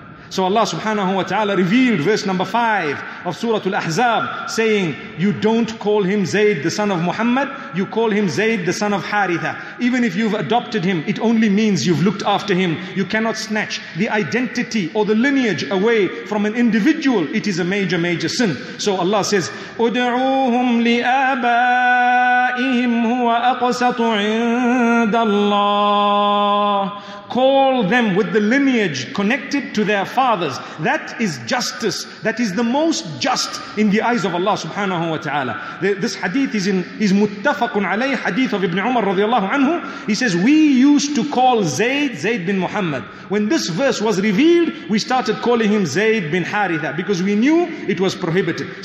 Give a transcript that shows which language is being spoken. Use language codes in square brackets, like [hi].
[en] So Allah subhanahu wa ta'ala revealed verse number 5 of Surah Al-Ahzab saying, you don't call him Zayd the son of Muhammad, you call him Zayd the son of Haritha. Even if you've adopted him, it only means you've looked after him. You cannot snatch the identity or the lineage away from an individual. It is a major, major sin. So Allah says, [ar] أُدْعُوهُمْ لِآبَائِهِمْ هُوَ أَقْسَطُ عِنْدَ اللَّهِ. [en] Call them with the lineage connected to their fathers. That is justice. That is the most just in the eyes of Allah subhanahu wa ta'ala. This hadith is muttafaqun alayh, hadith of Ibn Umar radiallahu anhu. He says, we used to call Zayd, Zayd bin Muhammad. When this verse was revealed, we started calling him Zayd bin Haritha, because we knew it was prohibited.